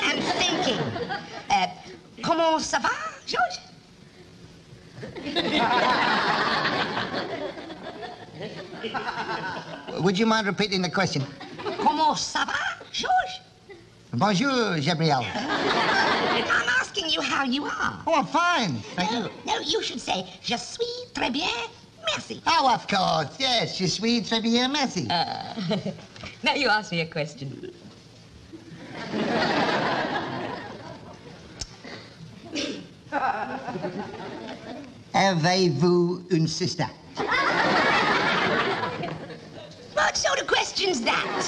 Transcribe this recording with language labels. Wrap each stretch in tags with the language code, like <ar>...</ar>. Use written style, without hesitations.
<en>I'm thinking.</en> <fr>Comment ça va, George?</fr> <en>Would you mind repeating the question?</en> <fr>Comment ça va? George? Bonjour, Gabriel.</fr> <en>I'm asking you how you are. Oh, I'm fine. Thank you. No, you should say,</en> <fr>je suis très bien, merci.</fr> <en>Oh, of course, yes,</en> <fr>je suis très bien, merci.</fr> <en>Now you ask me a question.</en> <fr>Avez-vous une sister?</fr> <en>What sort of question's that?</en>